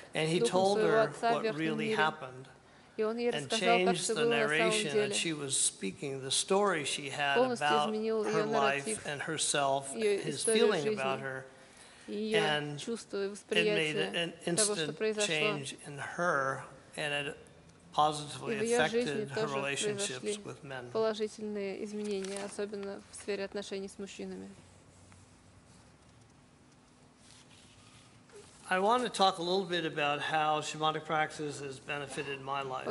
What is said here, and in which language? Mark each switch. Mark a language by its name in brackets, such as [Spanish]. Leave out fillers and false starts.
[English] And he told her what really happened. And changed the narration that she was speaking, the story she had about her life and herself, his feeling about her, and it made an instant change in her, and it positively affected her relationships with men. [Russian] Положительные изменения, особенно в сфере отношений с мужчинами. [English] I want to talk a little bit about how shamanic practice has benefited my life.